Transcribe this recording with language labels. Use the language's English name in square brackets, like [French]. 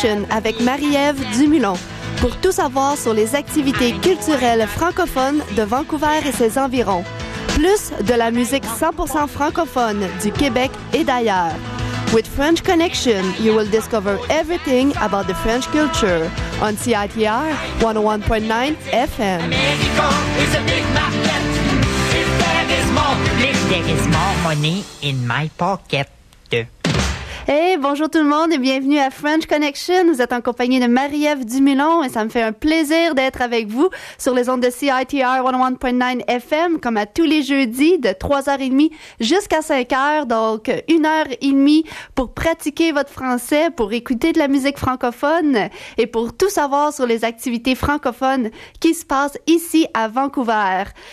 [French] Avec Marie-Ève Dumoulin pour tout savoir sur les activités culturelles francophones de Vancouver et ses environs, plus de la musique 100% francophone du Québec et d'ailleurs. [English] With French Connection, you will discover everything about the French culture on CITR 101.9 FM. [French] Hey, bonjour tout le monde et bienvenue à French Connection. Vous êtes en compagnie de Marie-Ève Dumoulin et ça me fait un plaisir d'être avec vous sur les ondes de CITR 101.9 FM comme à tous les jeudis de 3h30 jusqu'à 5h. Donc, 1h30 pour pratiquer votre français, pour écouter de la musique francophone et pour tout savoir sur les activités francophones qui se passent ici à Vancouver.